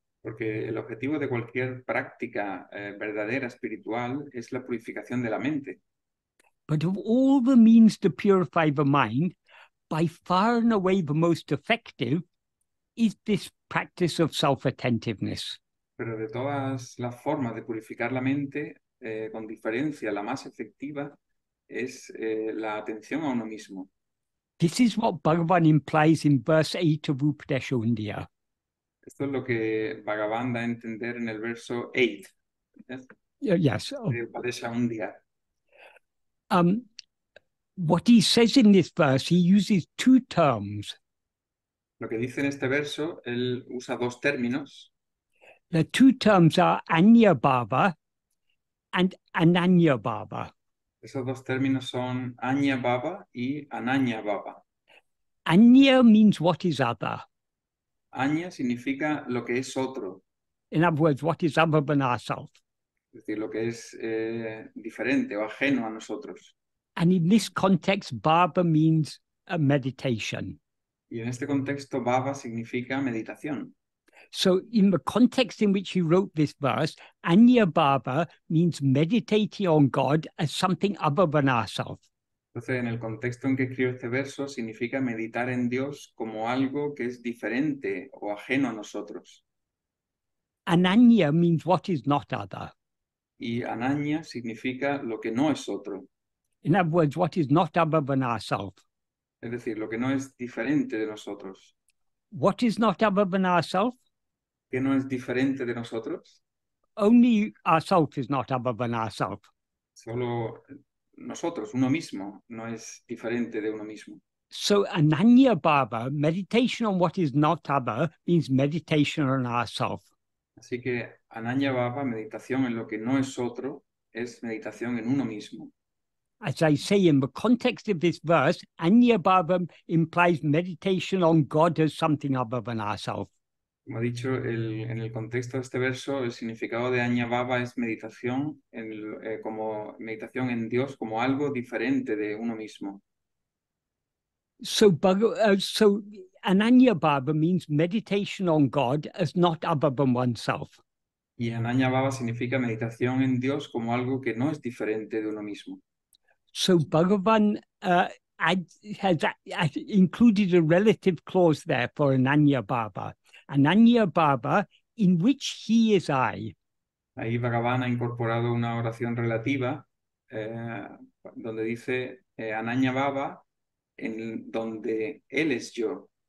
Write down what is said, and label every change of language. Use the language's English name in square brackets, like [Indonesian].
[Spanish] Porque el objetivo de cualquier práctica verdadera espiritual es la purificación de la mente. [English] But of all the means to purify the mind, by far and away the most effective is this practice of self-attentiveness. [Spanish] Pero de todas las formas de purificar la mente, con diferencia, la más efectiva es la atención a uno mismo. [English] This is what Bhagavan implies in verse 8 of 𝘷𝘪ṣ𝘢𝘺𝘢. [Spanish] Esto es lo que Bhagavan da a entender en el verso 8. [English] Yes. [Spanish] De 𝘷𝘪ṣ𝘢𝘺𝘢. [English] What he says in this verse, he uses two terms. [Spanish] Lo que dice en este verso, él usa dos términos. [English] The two terms are anyabhava and ananyabhava. [Spanish] Esos dos términos son anyabhava y ananyabhava. [English] Anya means what is other. [Spanish] Anya significa lo que es otro. [English] In other words, what is other than ourselves. [Spanish] Es decir, lo que es diferente o ajeno a nosotros. [English] And in this context, bhava means a meditation. [Spanish] Y en este contexto, bhava significa meditación. [English] So in the context in which he wrote this verse, anyabhava means meditating on God as something other than ourselves. [Spanish] Entonces, en el contexto en que escribe este verso, significa meditar en Dios como algo que es diferente o ajeno a nosotros. [English] Ananya means what is not other. [Spanish] Y ananya significa lo que no es otro. [English] In other words, what is not other than ourselves. [Spanish] Es decir, lo que no es diferente de nosotros. [English] What is not other than ourselves? [Spanish] ¿Qué no es diferente de nosotros? [English] Only ourselves is not other than ourselves. [Spanish] Solo nosotros, uno mismo, no es diferente de uno mismo. [English] So ananya bhava, meditation on what is not other, means meditation on ourselves. [Spanish] Así que ananya bhava, meditación en lo que no es otro, es meditación en uno mismo. [English] As I say, in the context of this verse, anyabhava implies meditation on God as something other than ourselves. [Spanish] Como ha dicho, en el contexto de este verso, el significado de anyabhava es meditación como meditación en Dios como algo diferente de uno mismo. [English] So ananyabhava means meditation on God as not other than oneself. [Spanish] Y anyabhava significa meditación en Dios como algo que no es diferente de uno mismo. [English] So Bhagavan has included a relative clause there for ananyabhava. Ananyabhava, in which he is I. [Spanish] Ahí Bhagavan ha incorporado una oración relativa donde dice ananyabhava, en donde él es yo.